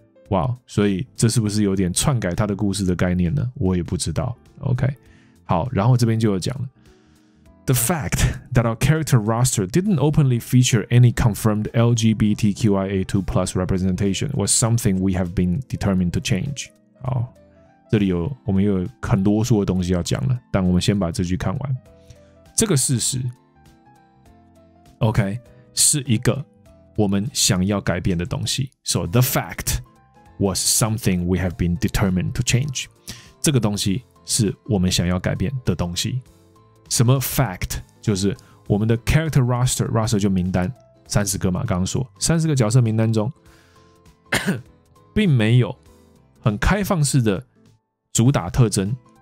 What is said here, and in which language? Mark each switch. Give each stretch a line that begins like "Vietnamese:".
Chinese: 哇、wow, 所以这是不是有点篡改他的故事的概念呢？我也不知道。
English: OK，好，然后这边就有讲了，The fact that our character roster didn't openly feature any confirmed LGBTQIA2+ representation was something we have been determined to change。
Chinese: 好，这里有我们又有很多说的东西要讲了，但我们先把这句看完。这个事实 ，OK， 是一个我们想要改变的东西。
English: So the fact。 Was something we have been determined to change.
Chinese: 这个东西是我们想要改变的东西。什么 fact? 就是我们的 character roster, roster 就名单 ,30 个嘛刚刚说 ,30 个角色名单中并没有很开放式的主打特征。